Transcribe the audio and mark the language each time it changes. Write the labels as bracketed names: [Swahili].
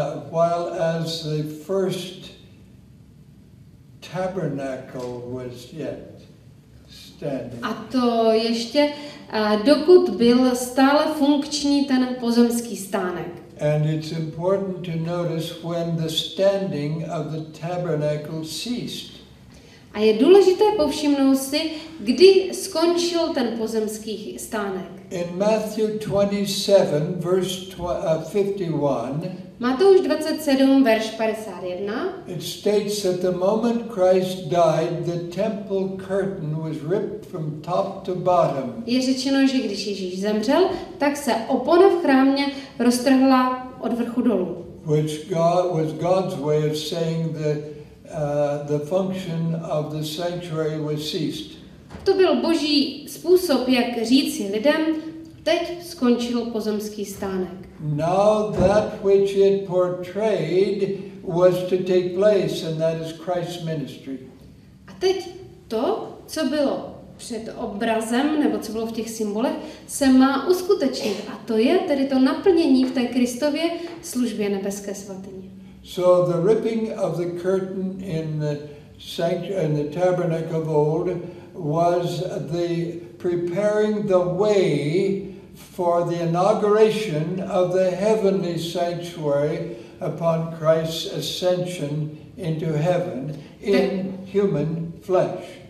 [English] While as the first tabernacle was yet standing. [Czech] A to ještě, dokud byl stále funkční ten pozemský stánek. [English] And it's important to notice when the standing of the tabernacle ceased. [Czech] A je důležité povšimnout si, kdy skončil ten pozemský stánek. [English] In Matthew 27, verse 51. [Czech] Matouš 27, verš 51. [English] It states that the moment Christ died, the temple curtain was ripped from top to bottom. [Czech] Je řečeno, že když Ježíš zemřel, tak se opona v chrámě roztrhla od vrchu dolů. [English] Which God was God's way of saying that the function of the sanctuary was ceased. [Czech] To byl Boží způsob, jak říci lidem, teď skončil pozemský stánek. [English] Now that which it portrayed was to take place, and that is Christ's ministry. [Czech] A teď to, co bylo před obrazem, nebo co bylo v těch symbolech, se má uskutečnit. A to je tedy to naplnění v té Kristově službě nebeské svatyně. [English] So the ripping of the curtain in the tabernacle of old was the preparing the way for the inauguration of the heavenly sanctuary upon Christ's ascension into heaven in human flesh.